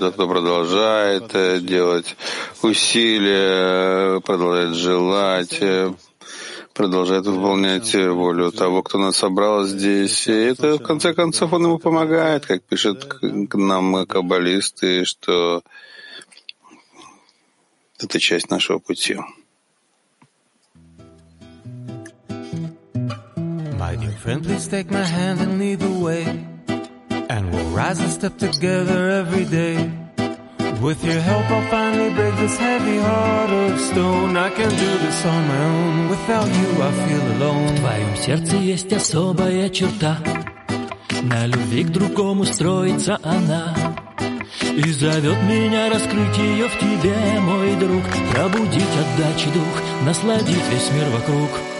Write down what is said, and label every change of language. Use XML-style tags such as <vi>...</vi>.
<ru>Тот, кто продолжает делать усилия, продолжает желать, продолжает выполнять волю того, кто нас собрал здесь. И это, в конце концов, он ему помогает, как пишут к нам каббалисты, что это часть нашего пути.</ru> <en>My dear friend, please take my hand and lead the way. And we'll rise and step together every day. With your help I'll finally break this heavy heart of stone. I can do this on my own, without you I feel alone.</en> <ru>В твоем сердце есть особая черта. На любви к другому строится она. И зовет меня раскрыть ее в тебе, мой друг. Пробудить отдачи дух, насладить весь мир вокруг.</ru>